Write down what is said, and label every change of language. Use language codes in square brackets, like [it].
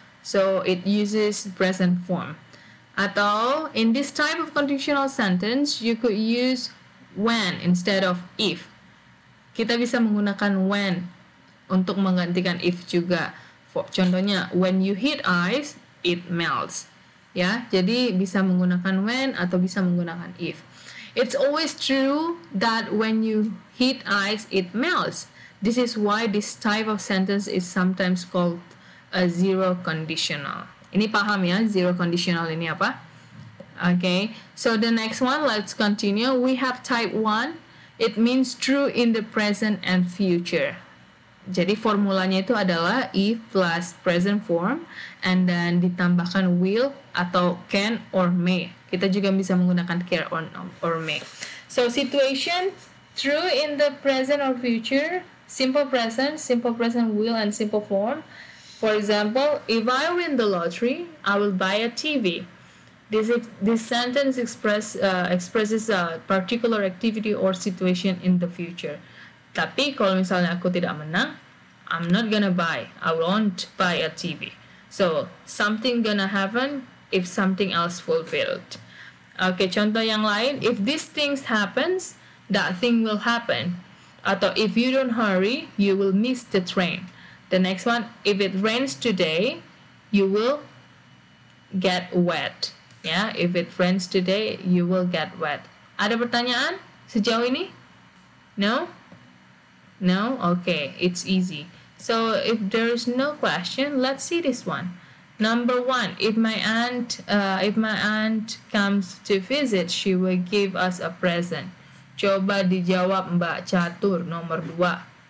[en] So, it uses present form. [id] Atau, [en] in this type of conditional sentence, you could use when instead of if. [id] Kita bisa menggunakan when untuk menggantikan if juga. Contohnya, [en] when you heat ice, it melts. [id] Ya, jadi bisa menggunakan when atau bisa menggunakan if. [en] It's always true that when you heat ice, it melts. This is why this type of sentence is sometimes called a zero conditional. [id] Ini paham ya, zero conditional ini apa? [en] Okay, so the next one, let's continue. We have type 1. It means true in the present and future. [id] Jadi formulanya itu adalah [en] if plus present form and then [id] ditambahkan [en] will [id] atau [en] can or may. [id] Kita juga bisa menggunakan [en] care or may. So situation true in the present or future, simple present will and simple form. For example, if I win the lottery, I will buy a TV. This sentence expresses a particular activity or situation in the future. [id] Tapi kalau misalnya aku tidak menang, [en] I'm not gonna buy. I won't buy a TV. So, something gonna happen if something else fulfilled. [id] Okay, contoh yang lain. [en] If these things happens, that thing will happen. [id] Atau [en] if you don't hurry, you will miss the train. The next one, if it rains today, you will get wet. Ya, if it rains today, you will get wet. [id] Ada pertanyaan sejauh ini? [en] No? Okay, it's easy. So, if there is no question, let's see this one. Number one, if my aunt comes to visit, she will give us a present. [id] Coba dijawab Mbak Catur, nomor dua.